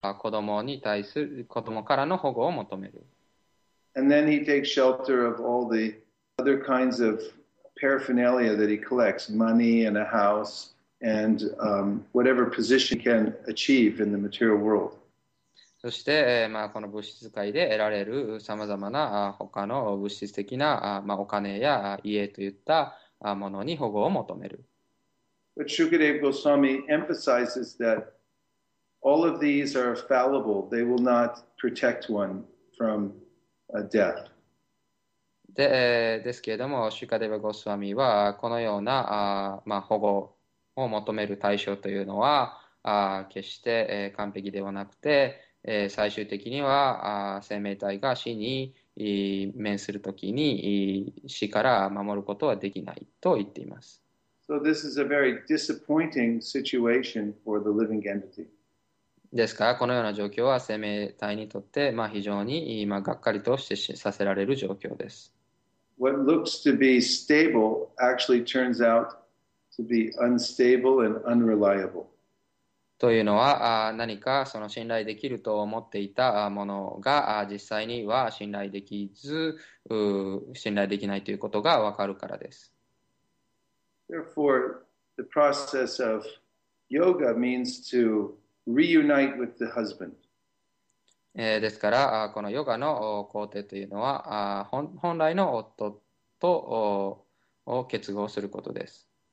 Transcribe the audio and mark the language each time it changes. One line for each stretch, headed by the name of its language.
Japanese: あ、子供に対する、子供からの保護を求める。
English: And then he takes shelter of all the other kinds of paraphernalia that he collects, money and a house and whatever position he can achieve in the material world.
Japanese: そして、まあ、この物質界で得られる様々な他の物質的な、まあ、お金や家といったものに保護を求める。
English: But Shukadeva Goswami emphasizes that all of these are fallible. They will not protect one from death.
Japanese: で、ですけれども、シュカデヴァ・ゴスワミは、このような、まあ、保護を求める対象というのは、決して、完璧ではなくて、最終的には、生命体が死に、面するときに、死から守ることはできないと言っています。
English: So this is a very disappointing situation for the living entity.
Japanese: ですから、このような状況は生命体にとって、まあ、非常に、まあ、がっかりとしてさせられる状況です。
English: What looks to be stable actually turns out to be unstable and unreliable.
Japanese: というのは、何かその信頼できると思っていたものが、実際には信頼できず、信頼できないということがわかるからです。
English: Therefore, the process of yoga means to reunite with the husband.
Japanese: ですから、このヨガの工程というのは、本来の夫とを結合することです。